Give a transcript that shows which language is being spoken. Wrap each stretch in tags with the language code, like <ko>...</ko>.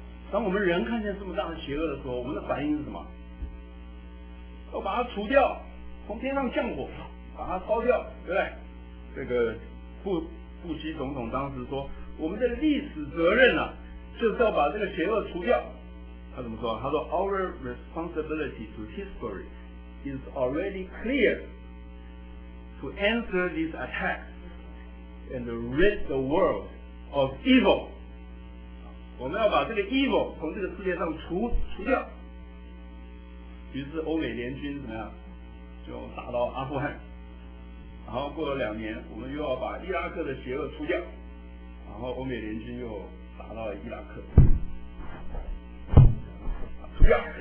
<zh>当我们人看见这么大的邪恶的时候，我们的反应是什么？要把它除掉，从天上降火，把它烧掉，对不对？这个布希总统当时说，我们的历史责任啊，就是要把这个邪恶除掉。他怎么说？他说</zh> <en>Our responsibility to history is already clear to answer these attacks and rid the world of evil.</en> <zh>我们要把这个 evil 从这个世界上除掉。于是欧美联军怎么样，就打到阿富汗，然后过了两年，我们又要把伊拉克的邪恶除掉，然后欧美联军又打到了伊拉克，除掉。</zh>